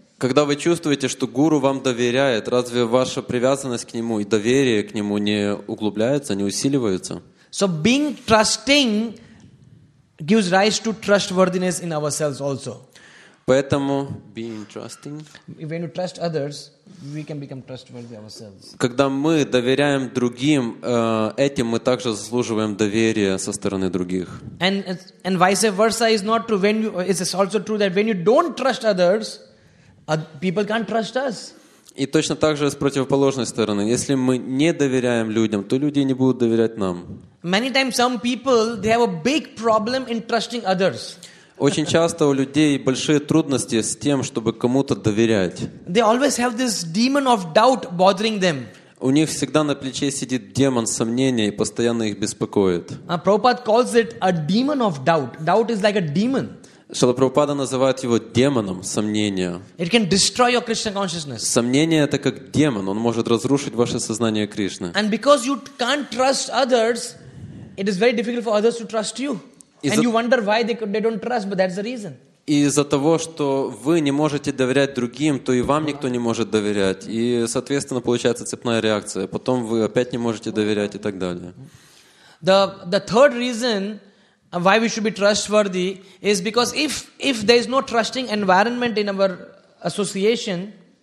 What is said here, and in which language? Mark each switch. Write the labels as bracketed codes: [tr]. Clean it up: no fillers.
[ru] Когда вы чувствуете, что гуру вам доверяет, разве ваша привязанность к нему и доверие к нему не углубляется, не усиливается? [en] So being trusting gives rise to trustworthiness in ourselves also. [ru] Поэтому [en] being trusting. When we trust others, we can become trustworthy ourselves. [ru] Когда мы доверяем другим, этим мы также заслуживаем доверия со стороны других. [en] And vice versa is not true. When you, it's also true that when you don't trust others, people can't trust us. [ru] И точно так же с противоположной стороны. Если мы не доверяем людям, то люди не будут доверять нам. [en] Many times some people they have a big problem in trusting others. [ru] Очень часто у людей большие трудности с тем, чтобы кому-то доверять. [en] They always have this demon of doubt bothering them. [ru] У них всегда на плече сидит демон сомнения и постоянно их беспокоит. [en] Prabhupada calls it a demon of doubt. Doubt is like a demon. [ru] Шрила Прабхупада называет его демоном сомнения. [en] It can destroy your Krishna consciousness. [ru] Сомнение это как демон, он может разрушить ваше сознание Кришны. [en] And because you can't trust others, it is very difficult for others to trust you. And you wonder why they don't trust, but that's the reason. [ru] Из-за того, что вы не можете доверять другим, то и вам никто не может доверять. И, соответственно, получается цепная реакция. Потом вы опять не можете доверять и так далее. [en] The third reason why we should be trustworthy is because if there is no trusting environment in our association.